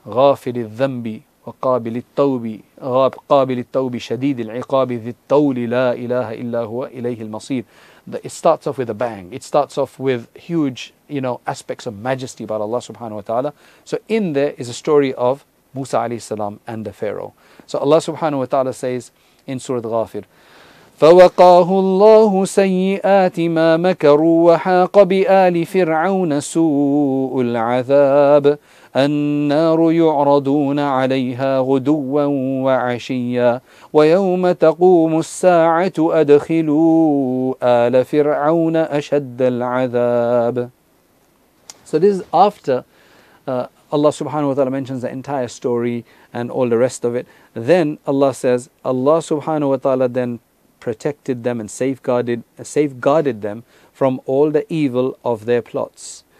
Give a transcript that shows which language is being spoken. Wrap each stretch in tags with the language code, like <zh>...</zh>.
<ar>غَافِلِ الذَّنْبِ وَقَابِلِ التَّوْبِ قَابِلِ التَّوْبِ شَدِيدِ الْعِقَابِ ذِي الطَّوْلِ لَا إِلَهَ إِلَّا هُوَ إِلَيْهِ الْمَصِيرِ.</ar> <en>It starts off with a bang. It starts off with huge, you know, aspects of majesty about Allah subhanahu wa ta'ala. So in there is a story of Musa alayhi salam and the Pharaoh. So Allah subhanahu wa ta'ala says in Surah Ghafir,</en> <ar>فوقاه الله سيئات ما مكروا وحاق بآل فرعون سوء العذاب النار يعرضون عليها غدوا وعشيا ويوم تقوم الساعة أدخلوا آل فرعون أشد العذاب.</ar> <en>So this is after Allah subhanahu wa ta'ala mentions the entire story and all the rest of it. Then Allah says, Allah subhanahu wa ta'ala then protected them and safeguarded them from all the evil of their plots.</en>